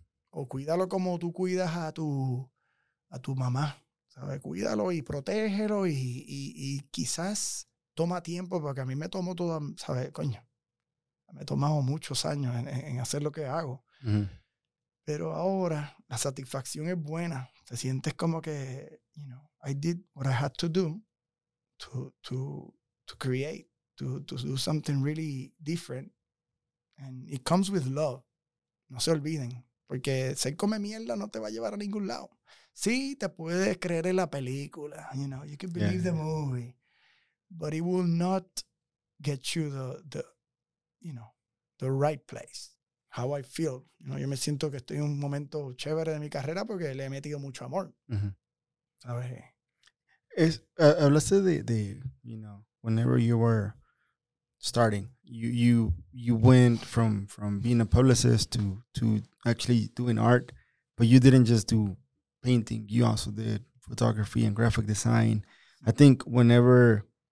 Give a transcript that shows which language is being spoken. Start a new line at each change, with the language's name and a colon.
Spanish: O cuídalo como tú cuidas a tu mamá, ¿sabes? Cuídalo y protégelo y quizás toma tiempo, porque a mí me tomó todo, ¿sabes? Coño, me he tomado muchos años en hacer lo que hago. Pero ahora la satisfacción es buena. Te sientes como que,
English: I did what I had to do to create, to do something really different. And it comes with love.
Spanish: No se olviden. Porque ser come mierda no te va a llevar a ningún lado. Sí, te puedes creer en la película,
English: you can believe the movie, but it will not get you the right place. How I feel.
Spanish: Yo me siento que estoy en un momento chévere de mi carrera porque le he metido mucho amor. ¿Sabes?
English: Hablaste de, whenever you were starting, you went from being a publicist to actually doing art, but you didn't just do painting, you also did photography and graphic design. I think whenever